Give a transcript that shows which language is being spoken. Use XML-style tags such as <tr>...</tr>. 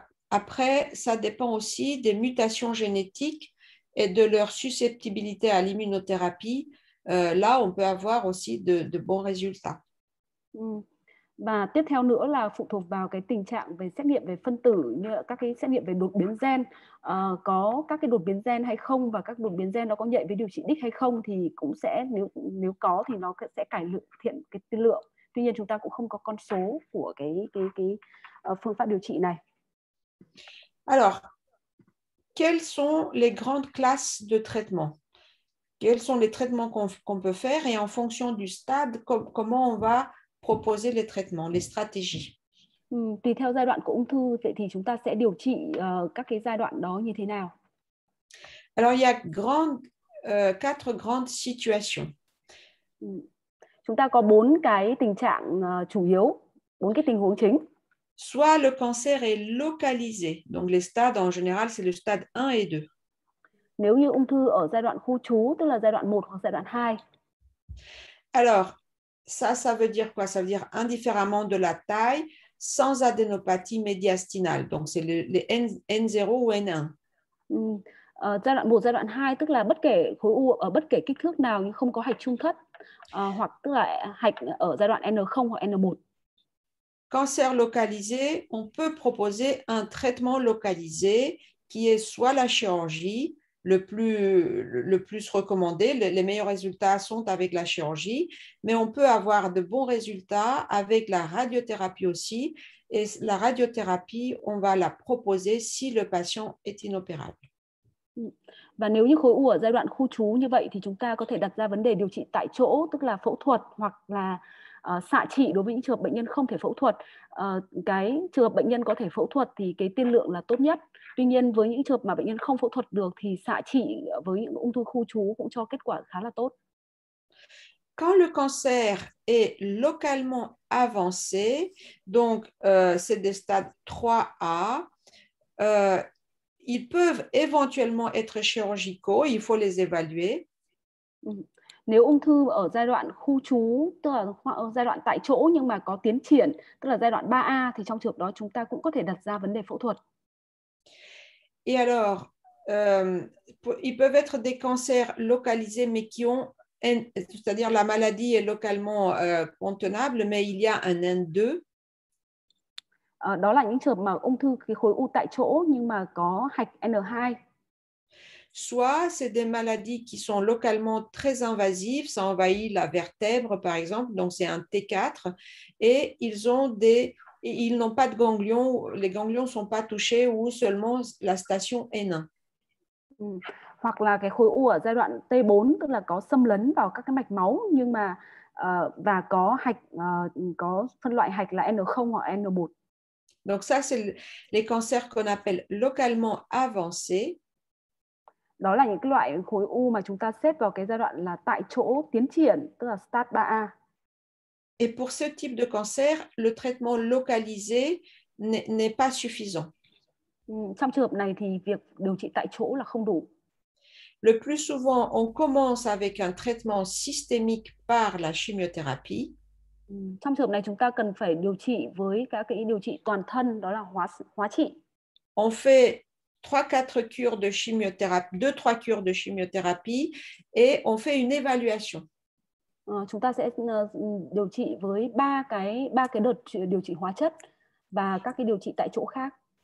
<fr>Après, ça dépend aussi des mutations génétiques et de leur susceptibilité à l'immunothérapie. Là, on peut avoir aussi de bons résultats.</fr> <vi>Và tiếp theo nữa là phụ thuộc vào cái tình trạng về xét nghiệm về phân tử như là các cái xét nghiệm về đột biến gen có các cái đột biến gen hay không và các đột biến gen nó có nhạy với điều trị đích hay không thì cũng sẽ nếu nếu có thì nó sẽ cải thiện cái tiên lượng. Tuy nhiên chúng ta cũng không có con số của cái phương pháp điều trị này.</vi> <fr>Alors, quelles sont les grandes classes de traitements? Quels sont les traitements qu'on peut faire et en fonction du stade, comment on va proposer les traitements, les stratégies?</fr> <vi>Tùy theo giai đoạn của ung thư vậy thì chúng ta sẽ điều trị các cái giai đoạn đó như thế nào?</vi> <fr>Alors, il y a quatre grandes situations.</fr> <vi>Chúng ta có bốn cái tình trạng chủ yếu, bốn cái tình huống chính.</vi> <fr>Soit le cancer est localisé, donc les stades en général, c'est le stade 1 et 2.</fr> <vi>Nếu như ung thư ở giai đoạn khu trú, tức là giai đoạn 1 hoặc giai đoạn 2.</vi> <fr>Alors, ça veut dire quoi? Ça veut dire indifféremment de la taille, sans adénopathie médiastinale, donc c'est les N0 ou N1.</fr> <vi>Giai đoạn 1, giai đoạn 2 tức là bất kể khối u ở bất kể kích thước nào nhưng không có hạch trung thất hoặc tức là hạch ở giai đoạn N0 hoặc N1.</vi> <fr>Cancer localisé, on peut proposer un traitement localisé qui est soit la chirurgie, le plus recommandé. Les meilleurs résultats sont avec la chirurgie, mais on peut avoir de bons résultats avec la radiothérapie aussi. Et la radiothérapie, on va la proposer si le patient est inopérable.</fr> <vi>Và nếu như khối u ở giai đoạn khu trú như vậy thì chúng ta có thể đặt ra vấn đề điều trị tại chỗ tức là phẫu thuật hoặc là xạ trị đối với những trường hợp bệnh nhân không thể phẫu thuật. Cái trường hợp bệnh nhân có thể phẫu thuật thì cái tiên lượng là tốt nhất. Tuy nhiên với những trường hợp mà bệnh nhân không phẫu thuật được thì xạ trị với những ung thư khu trú cũng cho kết quả khá là tốt.</vi> <fr>Quand le cancer est localement avancé, donc c'est des stades 3A, ils peuvent éventuellement être chirurgicaux, il faut les évaluer.</fr> <vi>Nếu ung thư ở giai đoạn khu trú, tức là ở giai đoạn tại chỗ nhưng mà có tiến triển, tức là giai đoạn 3A thì trong trường hợp đó chúng ta cũng có thể đặt ra vấn đề phẫu thuật.</vi> <fr>Et alors, ils peuvent être des cancers localisés, mais qui ont... C'est-à-dire la maladie est localement contenable, mais il y a un N2.</fr> <vi>Đó là những trường hợp mà ung thư cái khối u tại chỗ nhưng mà có hạch N2.</vi> <fr>Soit c'est des maladies qui sont localement très invasives, ça envahit la vertèbre par exemple, donc c'est un T4, et ils n'ont pas de ganglions, les ganglions ne sont pas touchés ou seulement la station N1.</fr> <vi>Hoặc là cái khối u ở giai đoạn T4 tức là có xâm lấn vào các cái mạch máu nhưng mà và có hạch có phân loại hạch là N0 hoặc N1.</vi> <fr>Donc ça, c'est les cancers qu'on appelle localement avancés.</fr> <vi>đó là những cái loại khối u mà chúng ta xếp vào cái giai đoạn là tại chỗ tiến triển, tức là stade 3A.</vi> <fr>Et pour ce type de cancer, le traitement localisé n'est pas suffisant.</fr> <vi>Trong trường hợp này thì việc điều trị tại chỗ là không đủ.</vi> <fr>Le plus souvent, on commence avec un traitement systémique par la chimiothérapie.</fr> <vi>Trong trường hợp này chúng ta cần phải điều trị với các cái điều trị toàn thân, đó là hóa trị.</vi> <fr>On fait 3-4 cures de chimiothérapie, 2-3 cures de chimiothérapie et on fait une évaluation.</fr> <vi>Chúng ta sẽ điều trị với ba cái đợt điều trị hóa chất và các cái điều trị tại chỗ khác.</vi>